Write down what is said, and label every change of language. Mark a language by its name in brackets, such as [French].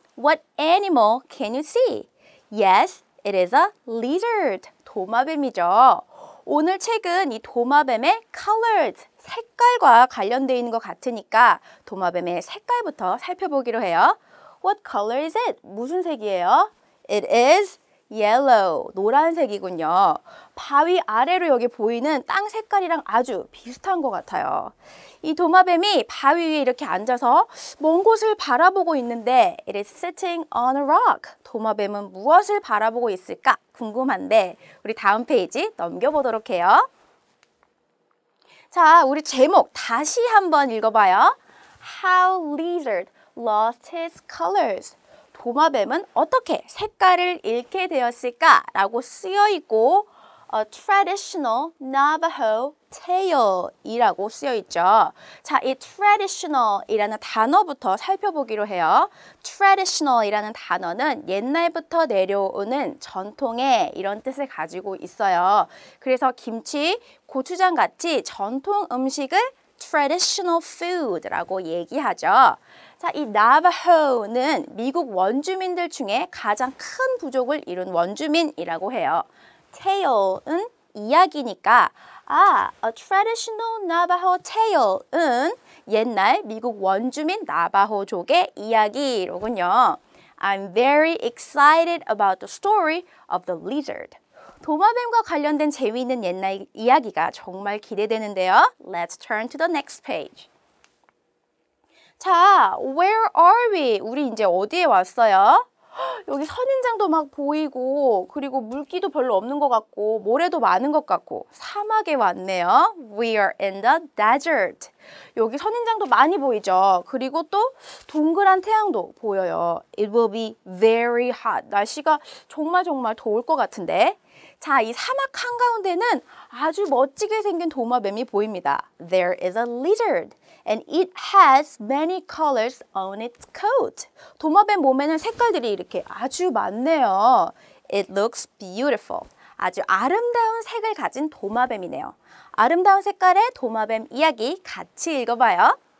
[English] What animal can you see? Yes, it is a lizard. [Korean] 도마뱀이죠. 오늘 책은 이 도마뱀의 colors, 색깔과 관련되어 있는 것 같으니까 도마뱀의 색깔부터 살펴보기로 해요. [English] What color is it? [Korean] 무슨 색이에요? [English] It is yellow, [Korean] 노란색이군요. 바위 아래로 여기 보이는 땅 색깔이랑 아주 비슷한 것 같아요. 이 도마뱀이 바위 위에 이렇게 앉아서 먼 곳을 바라보고 있는데 [English] It is sitting on a rock. [Korean] 도마뱀은 무엇을 바라보고 있을까? 궁금한데 우리 다음 페이지 넘겨보도록 해요. 자, 우리 제목 다시 한번 읽어봐요. [English] How Lizard Lost His Colors. [Korean] 도마뱀은 어떻게 색깔을 잃게 되었을까? 라고 쓰여 있고 [English] a traditional Navajo tale [Korean] 이라고 쓰여 있죠. 자, 이 traditional이라는 단어부터 살펴보기로 해요. traditional이라는 단어는 옛날부터 내려오는 전통의 이런 뜻을 가지고 있어요. 그래서 김치, 고추장 같이 전통 음식을 traditional food라고 얘기하죠. 자, 이 Navajo는 미국 원주민들 중에 가장 큰 부족을 이룬 원주민이라고 해요. tale은 이야기니까 아, [English] a traditional Navajo tale [Korean] 은 옛날 미국 원주민 나바호족의 이야기로군요. [English] I'm very excited about the story of the lizard. [Korean] 도마뱀과 관련된 재미있는 옛날 이야기가 정말 기대되는데요. [English] Let's turn to the next page. 자, where are we? [Korean] 우리 이제 어디에 왔어요? 여기 선인장도 막 보이고 그리고 물기도 별로 없는 것 같고 모래도 많은 것 같고 사막에 왔네요. [English] We are in the desert. [Korean] 여기 선인장도 많이 보이죠? 그리고 또 동그란 태양도 보여요. [English] It will be very hot. [Korean] 날씨가 정말 정말 더울 것 같은데. 자, 이 사막 한가운데는 아주 멋지게 생긴 도마뱀이 보입니다. [English] There is a lizard. And it has many colors on its coat. [Korean] 도마뱀 몸에는 색깔들이 이렇게 아주 많네요. [English] It looks beautiful. [Korean] 아주 아름다운 색을 가진 도마뱀이네요. 아름다운 색깔의 도마뱀 이야기 같이 읽어봐요.